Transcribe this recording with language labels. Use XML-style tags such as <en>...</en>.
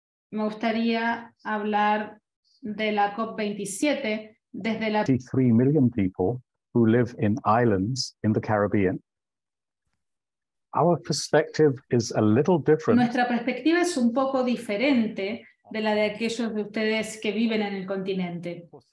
<es>Me gustaría hablar de la COP27 desde la</es> <en>23 million people who live in islands in the Caribbean. Our perspective is a little different.</en> <es>Nuestra perspectiva es un poco diferente de la de aquellos de ustedes que viven en el continente.</es>